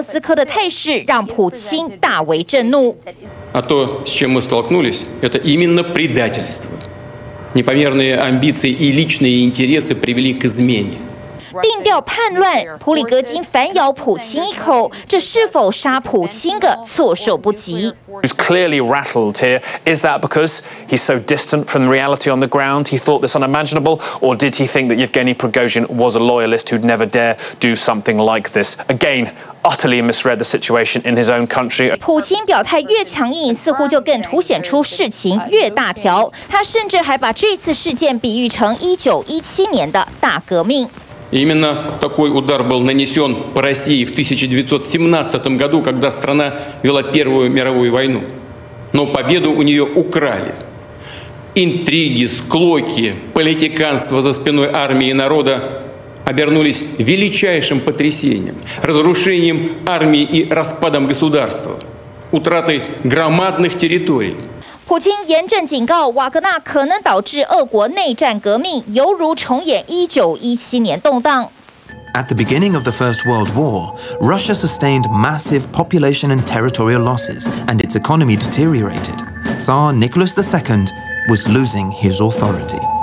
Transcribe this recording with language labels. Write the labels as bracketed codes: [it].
[zh] 点名俄军国防部长肖伊古、参谋总长格拉西莫夫必须走。普里格金挟瓦格纳自重，一副要讨伐莫斯科的态势，让普京大为震怒。 [ru] А то, с чем мы столкнулись, это именно предательство. Непомерные амбиции и личные интересы привели к измене. [zh] 定调叛乱，普里格金反咬普京一口，这是否杀普京的措手不及 [en] ？Who's clearly rattled here? Is that because he's so distant from reality on the ground? He thought this unimaginable, or did he think that Yevgeny Prigozhin was a loyalist who'd never dare do something like this again? Utterly misread the situation in his own country. [zh] 普京表态越强硬，似乎就更凸显出事情越大条。他甚至还把这次事件比喻成1917年的大革命。 [ru] Именно такой удар был нанесен по России в 1917 году, когда страна вела Первую мировую войну. Но победу у нее украли. Интриги, склоки, политиканство за спиной армии и народа обернулись величайшим потрясением, разрушением армии и распадом государства, утратой громадных территорий. [zh] 普京严正警告，瓦格纳可能导致俄国内战革命，犹如重演1917年动荡。 [en] At the beginning of the First World War, Russia sustained massive population and territorial losses, and its economy deteriorated. Tsar Nicholas II was losing his authority.